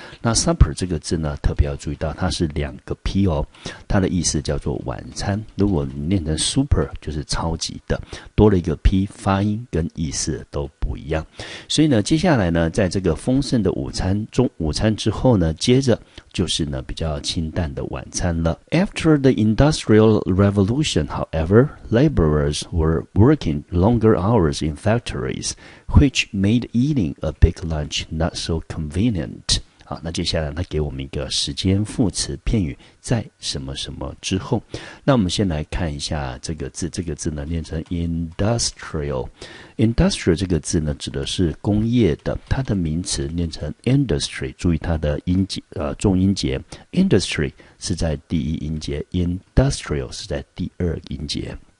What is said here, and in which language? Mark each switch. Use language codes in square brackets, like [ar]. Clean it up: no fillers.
[zh] 那 supper 这个字呢，特别要注意到，它是两个 p 哦，它的意思叫做晚餐。如果你念成 super， 就是超级的，多了一个 p， 发音跟意思都不一样。所以呢，接下来呢，在这个丰盛的午餐中午餐之后呢，接着就是呢比较清淡的晚餐了。 [en] After the Industrial Revolution, however, laborers were working longer hours in factories, which made eating a big lunch not so convenient. [zh] 好，那接下来他给我们一个时间副词片语，在什么什么之后。那我们先来看一下这个字，这个字呢念成 industrial。 Industrial 这个字呢指的是工业的，它的名词念成 industry， 注意它的音节，重音节 industry 是在第一音节， industrial 是在第二音节。